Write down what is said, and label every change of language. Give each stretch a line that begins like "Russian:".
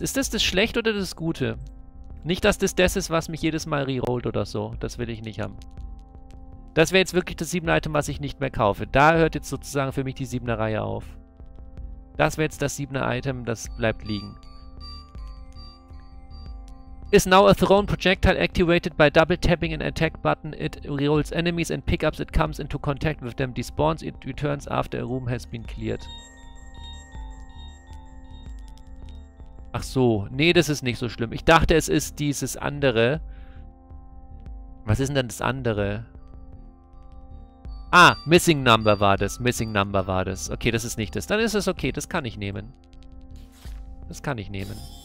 German: Ist das das Schlechte oder das Gute? Nicht, dass das das ist, was mich jedes Mal rerollt oder so. Das will ich nicht haben. Das wäre jetzt wirklich das 7er Item, was ich nicht mehr kaufe. Da hört jetzt sozusagen für mich die 7er Reihe auf. Das wäre jetzt das 7er Item, das bleibt liegen.
English: Is now a thrown projectile activated by double tapping an attack button. It rerolls enemies and pickups it comes into contact with them. Despawns, it returns after a room has been cleared.
German: Ach so, nee, das ist nicht so schlimm. Ich dachte, es ist dieses andere. Was ist denn dann das andere? Ah, Missing Number war das. Missing Number war das. Okay, das ist nicht das. Dann ist es okay, das kann ich nehmen. Das kann ich nehmen.